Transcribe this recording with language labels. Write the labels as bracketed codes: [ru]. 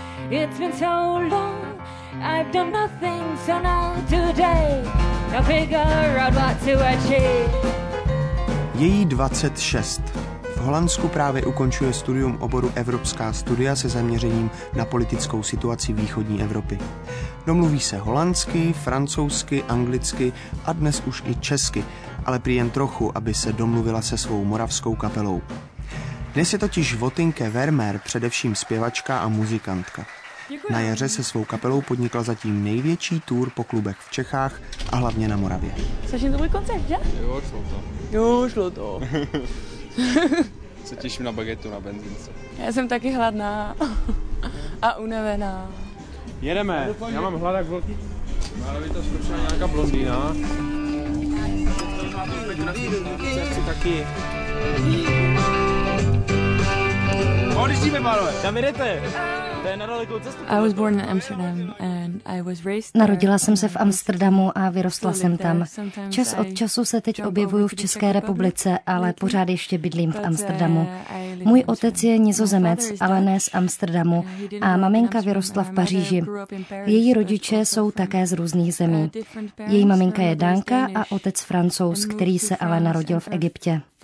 [en] It's been so long, I've done nothing, so now today I'll figure out what to achieve. [cs] Její 26. V Holandsku právě ukončuje studium oboru Evropská studia se zaměřením na politickou situaci východní Evropy. Domluví se holandsky, francouzsky, anglicky a dnes už i česky, ale prý jen trochu, aby se domluvila se svou moravskou kapelou. Dnes je totiž Votinke Vermeer především zpěvačka a muzikantka. Na jaře se svou kapelou podnikla zatím největší tour po klubech v Čechách a hlavně na Moravě. Strašně dobrý koncert, že? Jo, šlo to. Se těším na bagetu na benzínce. Já jsem taky hladná a unavená. Jedeme, já mám hlad jak velký. Máme to zkušená nějaká blondýna. Chci taky. [en] I was born in Amsterdam and I was raised there. [cs] Narodila jsem se v Amsterdamu a vyrostla jsem tam. Čas od času se teď objevuju v České republice, ale pořád ještě bydlím v Amsterdamu. Můj otec je Nizozemec, ale ne z Amsterdamu, a maminka vyrostla v Paříži. Její rodiče jsou také z různých zemí. Její maminka je Dánka a otec Francouz, který se ale narodil v Egyptě.